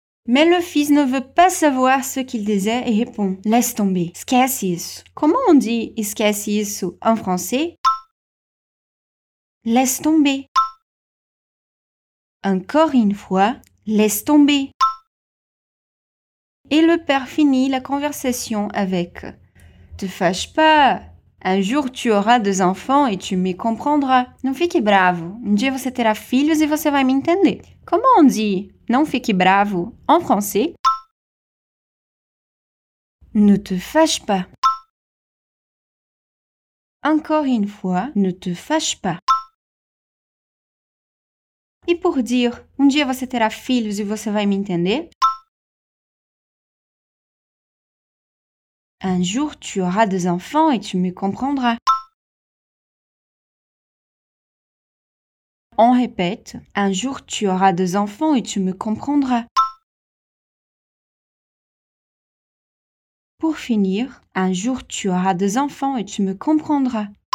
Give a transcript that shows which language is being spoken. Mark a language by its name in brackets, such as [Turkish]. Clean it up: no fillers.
[French] Mais le fils ne veut pas savoir ce qu'il disait et répond, « Laisse tomber, [Portuguese] esquece isso. [French] » Comment on dit « esquece isso » en français ? Laisse tomber. Encore une fois, « Laisse tomber. » Et le père finit la conversation avec « Te fâche pas, un jour tu auras deux enfants et tu me comprendras. [Portuguese] Não fique bravo, um dia você terá filhos e você vai me entender. » [French] Comment on dit [Portuguese] « Não fique bravo » [French] en français? Ne te fâche pas. Encore une fois, ne te fâche pas. Et pour dire « [Portuguese] Um dia você terá filhos e você vai me entender [French] » Un jour, tu auras des enfants et tu me comprendras. On répète. Un jour, tu auras des enfants et tu me comprendras. Pour finir, un jour, tu auras des enfants et tu me comprendras.